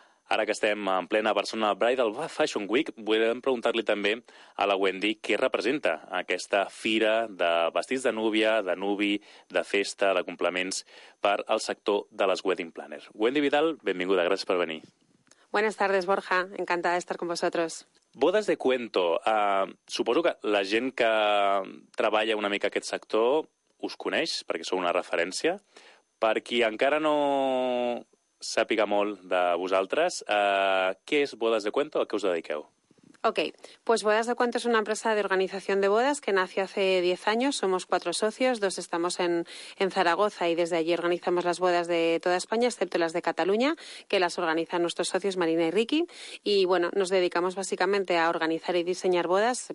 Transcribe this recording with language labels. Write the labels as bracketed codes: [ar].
[ca] Ara que estem en plena Barcelona Bridal Fashion Week, volem preguntar-li també a la Wendy què representa aquesta fira de vestits de núvia, de nuvi, de festa, de complements per al sector de les wedding planners. Wendy Vidal, benvinguda, gràcies per venir. [es] Buenas tardes, Borja, encantada de estar con vosotros. [ca] Bodas de Cuento, suposo que la gent que treballa una mica aquest sector us coneix, perquè sou una referència. Per qui encara no sàpiga molt de vosaltres, què és Bodas de Cuento, a què us dediqueu? [es] Ok, pues Bodas de Cuento es una empresa de organización de bodas que nació hace 10 años. Somos 4 socios, 2 estamos en Zaragoza y desde allí organizamos las bodas de toda España, excepto las de Cataluña, que las organizan nuestros socios Marina y Ricky. Y bueno, nos dedicamos básicamente a organizar y diseñar bodas.